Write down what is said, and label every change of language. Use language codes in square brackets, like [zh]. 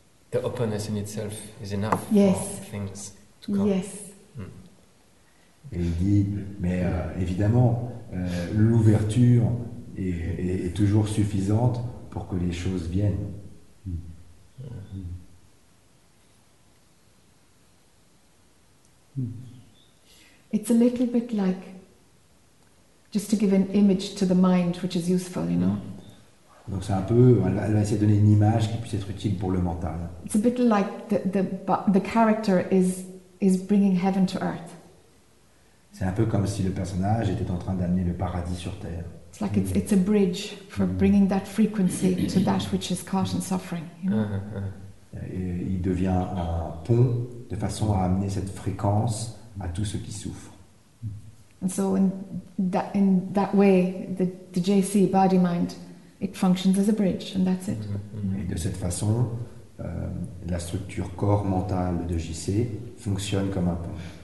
[en] The openness in itself is enough for things to come. Yes. [fr] Et il dit, mais évidemment, l'ouverture est toujours suffisante pour que les choses viennent. [en] It's a little bit like, just to give an image to the mind, which is useful, you know. [fr] Donc c'est un peu, elle va essayer de donner une image qui puisse être utile pour le mental. [en] It's a bit like the character is bringing heaven to earth. [fr] C'est un peu comme si le personnage était en train d'amener le paradis sur terre. [en] It's like it's a bridge for bringing that frequency to that which is caught in suffering. [fr] Il devient un pont de façon à amener cette fréquence à tout ce qui souffre. [en] And so in that way, the JC body mind, it functions as a bridge, and that's it. [fr] Et de cette façon, la structure corps mental de JC fonctionne comme un pont.